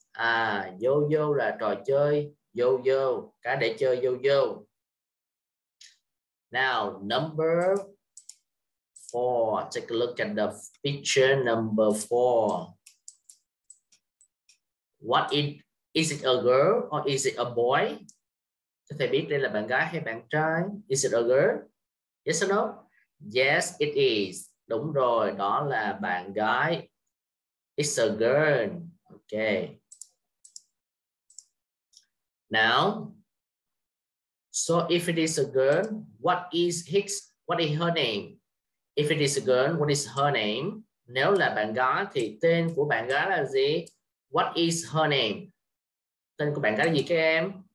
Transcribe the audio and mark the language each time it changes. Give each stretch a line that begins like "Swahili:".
Vietnamese: À, yo-yo là trò chơi yo-yo, cả để chơi yo-yo.
English: Now, number four. Take a look at the picture number four. What is it, a girl or is it a boy?
Vietnamese: Cho thầy biết đây là bạn gái hay bạn trai?
English: Is it a girl? Yes or no? Yes, it is.
Vietnamese: Đúng rồi, đó là bạn gái.
English: It's a girl. Okay. Now, so if it is a girl, what is his, what is her name? If it is a girl, what is her name?
Vietnamese: Nếu là bạn gái thì tên của bạn gái là gì?
English: What is her name?
Vietnamese: Tên của bạn gái là gì các em?